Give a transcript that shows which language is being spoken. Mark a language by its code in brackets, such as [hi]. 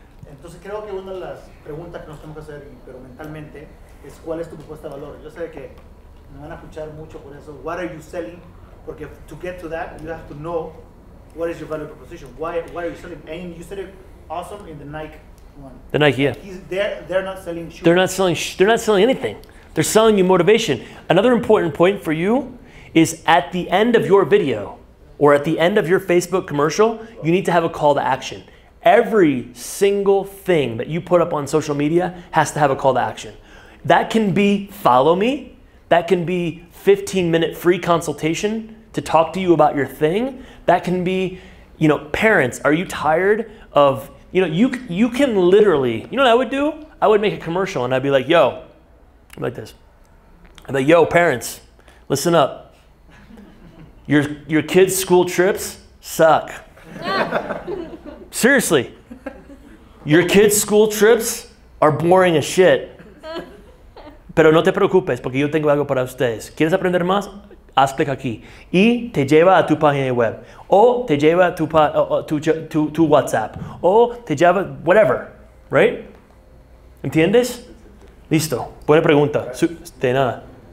[es] Entonces creo que una de las preguntas que nos tenemos que hacer, pero mentalmente, es cuál es tu propuesta de valor. Yo sé que me van a escuchar mucho por eso. [en] What are you selling? [es] Porque [en] to get to that, you have to know what is your value proposition. Why are you selling? And you said it awesome in the Nike one. The Nike, yeah. They're not selling shoes. They're not selling anything. They're selling you motivation. Another important point for you is at the end of your video or at the end of your Facebook commercial, you need to have a call to action. Every single thing that you put up on social media has to have a call to action. That can be follow me. That can be 15-minute free consultation to talk to you about your thing. That can be, you know, parents, are you tired of, you know, you can literally, you know what I would do? I would make a commercial and I'd be like, yo, like this. I'd be like, yo, parents, listen up. Your kids' school trips suck. Seriously. Your kids' school trips are boring as shit. [es] Pero no te preocupes, porque yo tengo algo para ustedes. ¿Quieres aprender más? Haz clic aquí. Y te lleva a tu página web. O te lleva a tu WhatsApp. O te lleva, [en] whatever. Right? [es] ¿Entiendes? Listo. Buena pregunta. De nada.